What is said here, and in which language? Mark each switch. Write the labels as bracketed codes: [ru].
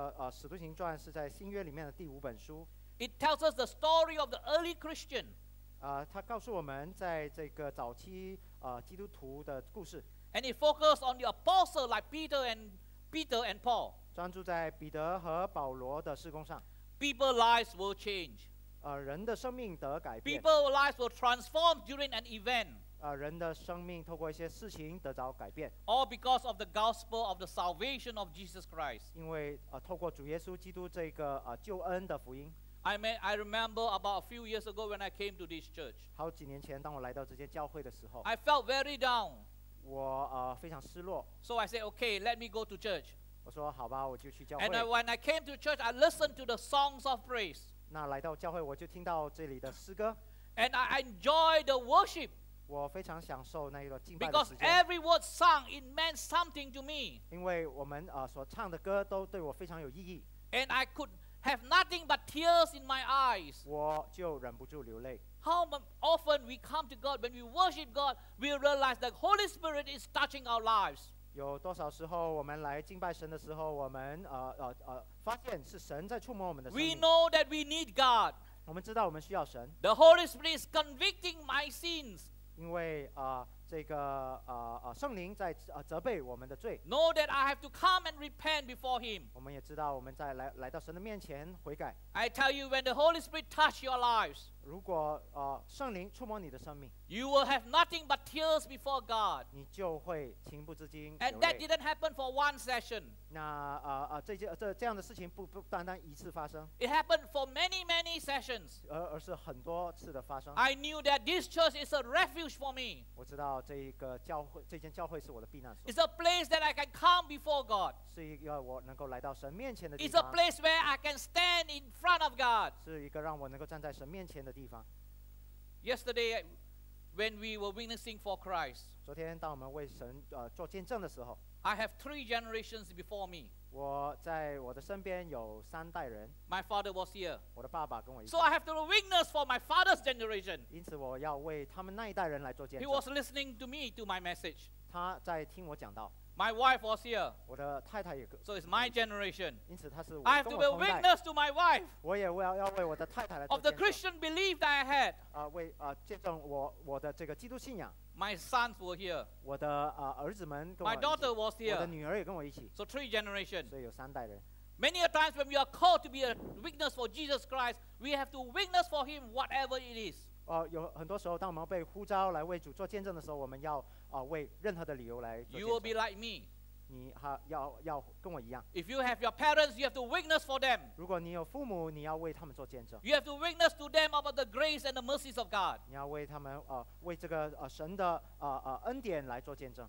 [zh] 使徒行传是在新约里面的第五本书。 [en] It tells us the story of the early Christian. [zh] 它告诉我们在这个早期基督徒的故事。 [en] And it focuses on the apostles like Peter and Paul. [zh] 专注在彼得和保罗的事工上。 [en] People's lives will change. [zh] 人的生命得改变。 [en] People's lives will transform during an event. [zh] 人的生命透过一些事情得着改变。 [en] All because of the gospel of the salvation of Jesus Christ. [zh] 因为透过主耶稣基督这个救恩的福音。 [en] I remember about a few years ago when I came to this church. [zh] 好几年前当我来到这间教会的时候。 [en] I felt very down. [zh] 我非常失落。 [en] So I said, okay, let me go to church. [zh] 我说好吧，我就去教会。 [en] And when I came to church, I listened to the songs of praise. [zh] 那来到教会，我就听到这里的诗歌。 [en] And I enjoyed the worship. [zh] 我非常享受那一段敬拜的时间。 [en] Because every word sung, it meant something to me. [zh] 因为我们所唱的歌都对我非常有意义。 [en] And I could have nothing but tears in my eyes. [zh] 我就忍不住流泪。 [en] How often we come to God when we worship God, we realize that Holy Spirit is touching our lives. [zh] 有多少时候我们来敬拜神的时候，我们发现是神在触摸我们的生命。 [en] We know that we need God. [zh] 我们知道我们需要神。 [en] The Holy Spirit is convicting my sins. [zh] 因为这个圣灵在责备我们的罪。 [en] Know that I have to come and repent before Him. [zh] 我们也知道我们在来到神的面前悔改。 [en] I tell you, when the Holy Spirit touch your lives. [zh] 如果圣灵触摸你的生命。 [en] You will have nothing but tears before God. [zh] 你就会情不自禁流泪。 [en] And that didn't happen for one session. [zh] 那这样的事情不单单一次发生。 [en] It happened for many many sessions. [zh] 而是很多次的发生。 [en] I knew that this church is a refuge for me. [zh] 我知道。这间教会是我的避难所。 [en] It's a place that I can come before God. [zh] 是一个我能够来到神面前的地方。 [en] It's a place where I can stand in front of God. [zh] 是一个让我能够站在神面前的地方。 [en] Yesterday, when we were witnessing for Christ, [zh] 昨天当我们为神做见证的时候 [en] ，I have three generations before me. [zh] 我在我的身边有三代人。 [en] My father was here. [zh] 我的爸爸跟我一起。 [en] So I have to witness for my father's generation. [zh] 因此我要为他们那一代人来做见证。 [en] He was listening to me to my message. [zh] 他在听我讲道。 [en] My wife was here. [zh] 我的太太也。 [en] So it's my generation. [zh] 因此他是我。 [en] I have to be a witness to my wife. [zh] 我也要为我的太太来做见证。 [en] Of the Christian belief that I had. [zh] 为见证我的这个基督信仰。 [en] My sons were here. [zh] 我的儿子们跟我。 [en] My daughter was here. [zh] 我的女儿也跟我一起。 [en] So three generations. [zh] 所以有三代人。 [en] Many a times when we are called to be a witness for Jesus Christ, we have to witness for Him whatever it is. [zh] 有很多时候，当我们被呼召来为主做见证的时候，我们要为任何的理由来做见证。 [en] You will be like me. [zh] 你要跟我一样。 [en] If you have your parents, you have to witness for them. [zh] 如果你有父母，你要为他们做见证。 [en] You have to witness to them about the grace and the mercies of God. [zh] 你要为他们为这个神的恩典来做见证。